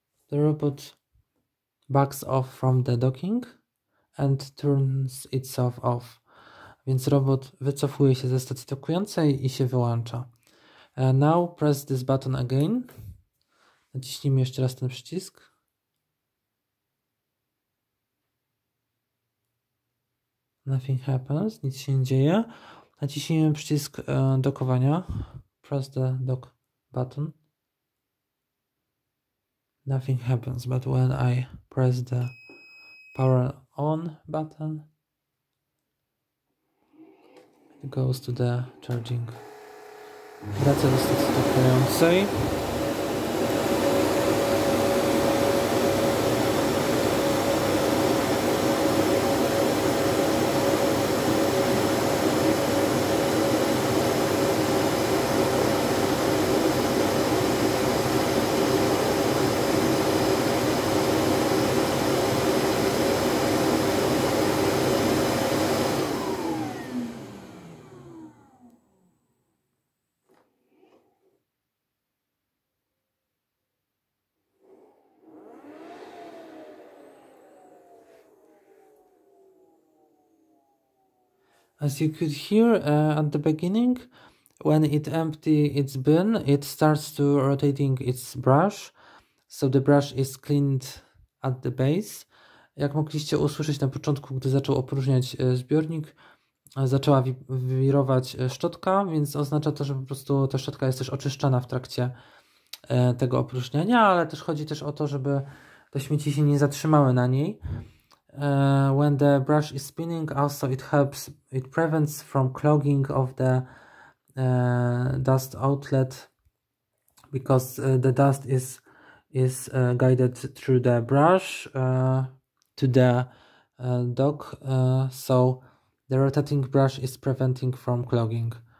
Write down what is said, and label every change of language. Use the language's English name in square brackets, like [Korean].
[English] The robot backs off from the docking and turns itself off. [Polish] Więc robot wycofuje się ze stacji dokującej i się wyłącza. [English] Now press this button again. [Polish] Naciśnijmy jeszcze raz ten przycisk. [English] Nothing happens, [Polish] nic się nie dzieje. Naciśnijmy przycisk dokowania. [English] Press the dock button. Nothing happens, but when I press the power on button, it goes to the charging. [Polish] Wraca do stacji dokującej. [English] As you could hear at the beginning, when it empty its bin, it starts to rotating its brush. So the brush is cleaned at the base. [Polish] Jak mogliście usłyszeć na początku, gdy zaczął opróżniać zbiornik, zaczęła wirować szczotka, więc oznacza to, że po prostu ta szczotka jest też oczyszczana w trakcie tego opróżniania, ale też chodzi też o to, żeby te śmieci się nie zatrzymały na niej. [English] When the brush is spinning, also it helps, it prevents from clogging of the dust outlet, because the dust is guided through the brush to the dock, so the rotating brush is preventing from clogging.